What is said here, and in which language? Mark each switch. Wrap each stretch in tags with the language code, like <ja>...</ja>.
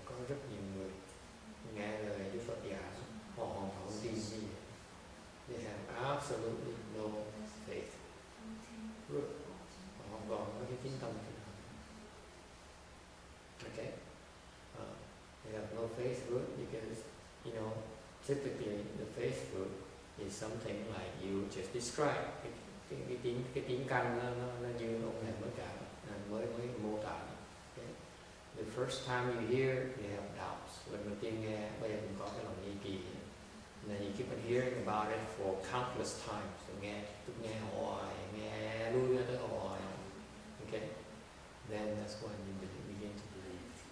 <vi>Có rất nhiều người nghe lời Đức Phật giảng, họ hoàn toàn không tin gì.</vi> <en>They have absolutely no faith.</en> <vi>Họ hoàn toàn không có tin tâm gì.</vi> <en>Okay? They have no faith root because, you know, typically the faith root is something like you just described.</en> <vi>Cái tín căn nó như ông này mới cả mới mô tả.</vi> <en>Okay. The first time you hear, you have doubts.</en> <vi>Lần đầu tiên nghe, bây giờ mình có cái lòng nghi kỳ.</vi> <en>Then you keep on hearing about it for countless times.</en> <vi>So nghe hoài, nghe lui tới hoài. Okay.</vi> <en>Then that's when you begin to believe.</en>